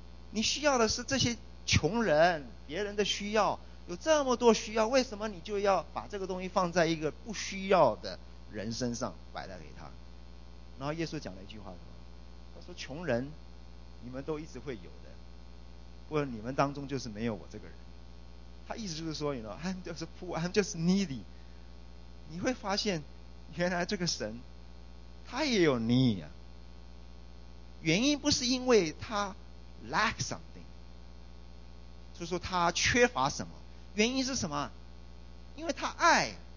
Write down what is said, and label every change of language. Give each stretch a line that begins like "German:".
Chinese: 你需要的是这些穷人，别人的需要，有这么多需要，为什么你就要把这个东西放在一个不需要的人身上摆来给他？然后耶稣讲了一句话，他说穷人你们都一直会有的，不过你们当中就是没有我这个人。他意思就是说
English: you know, I'm just poor, I'm just needy。
Chinese: 你会发现原来这个神他也有 need 啊。原因不是因为他
English: lack something，
Chinese: 就是说他缺乏什么，原因是什么？因为他爱。